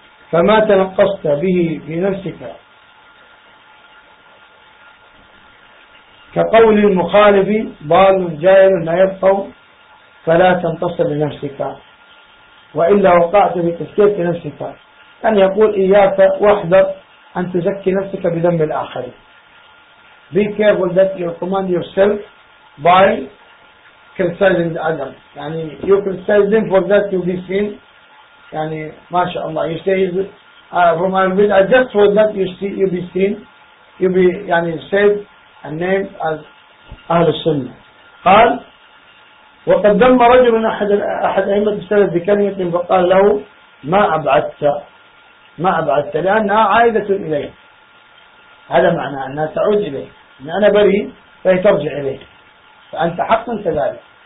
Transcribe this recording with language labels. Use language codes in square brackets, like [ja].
[ar] فما تنقصت به في نفسك كقول المخالف ضال جائر لا يبقوا فلا تنتصر لنفسك وإلا وقعت في تزكية نفسك. أن يقول إياك واحذر أن تزكي نفسك بذنب الآخر. [en] Be careful that you command yourself by criticizing the other. يعني you criticize them for that you be seen. يعني ما شاء الله you say from our bid, just for that you see, you be seen, you be يعني said and named as أهل السنة. [ar] قال وقد دم رجل أحد أئمة السلف بكلمة فقال له ما أبعدت لأنها عائدة إليه. هذا معنى أنها تعود إليه, إن أنا بريء فهي ترجع إليه, فأنت حقا كذلك.